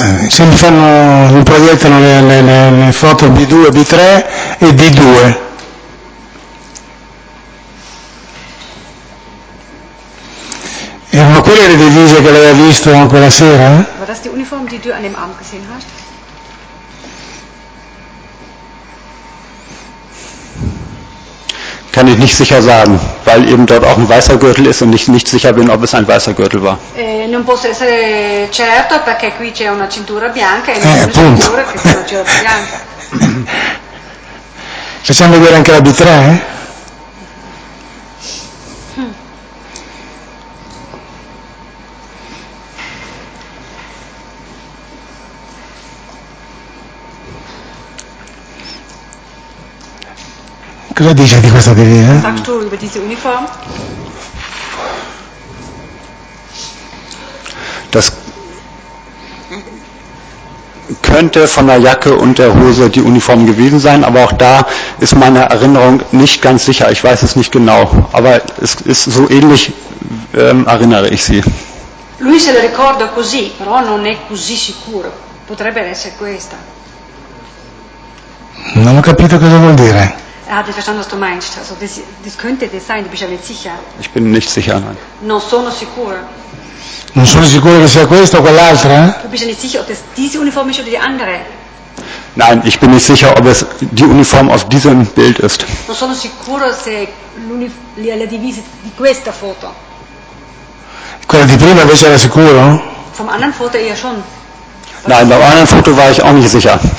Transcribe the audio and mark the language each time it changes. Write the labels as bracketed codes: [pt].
[it] se mi fanno, mi proiettano le foto B2, B3 e D2. Erano quelle le divise che lei ha visto quella sera? [de] War das die Uniform, die du an dem Abend gesehen hast? Kann ich nicht sicher sagen, weil eben dort auch ein weißer Gürtel ist und ich nicht sicher bin, ob es ein weißer Gürtel war. [it] Non posso essere certo perché qui c'è una cintura bianca e non c'è una cintura bianca. Facciamo vedere anche la B3, eh? Cosa dice di questa divisa? [de] Das könnte von der Jacke und der Hose die Uniform gewesen sein, aber auch da ist meine Erinnerung nicht ganz sicher. Ich weiß es nicht genau, aber es ist so ähnlich, erinnere ich sie. [it] Lui se la ricorda così, però non è così sicuro. Potrebbe essere questa. Non ho capito cosa vuol dire. [de] Er hat nicht verstanden, was du meinst. Also das könnte das sein, du bist ja nicht sicher. Ich bin nicht sicher, nein. [it] Non sono sicuro. Non sono sicuro che sia questa o quell'altra? [de] Du bist ja nicht sicher, ob das diese Uniform ist oder die andere. Nein, ich bin nicht sicher, ob es die Uniform auf diesem Bild ist. [it] Non sono sicuro se la divisa di questa foto. Quella di prima invece era sicuro? [de] Vom anderen Foto eher schon. Nein, beim anderen Foto war ich auch nicht sicher.